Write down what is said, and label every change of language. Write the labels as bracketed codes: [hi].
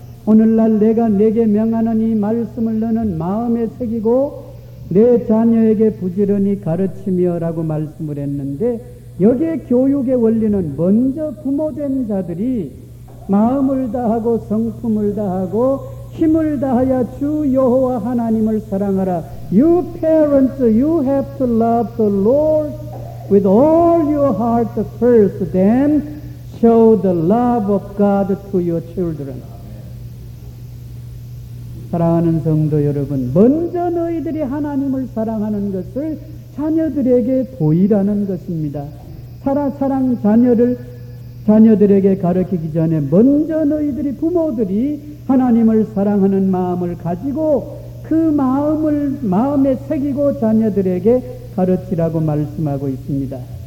[ko] 오늘날 내가 내게 명하는 이 말씀을 너는 마음에 새기고 내 자녀에게 부지런히 가르치며라고 말씀을 했는데, 여기에 교육의 원리는 먼저 부모된 자들이 마음을 다하고 성품을 다하고 힘을 다하여 주 여호와 하나님을 사랑하라. [en] You parents, you have to love the Lord with all your heart first, then show the love of God to your children. [ko] 사랑하는 성도 여러분, 먼저 너희들이 하나님을 사랑하는 것을 자녀들에게 보이라는 것입니다. 사랑 자녀를 자녀들에게 가르치기 전에 먼저 너희들이, 부모들이 하나님을 사랑하는 마음을 가지고 그 마음을 마음에 새기고 자녀들에게 가르치라고 말씀하고 있습니다.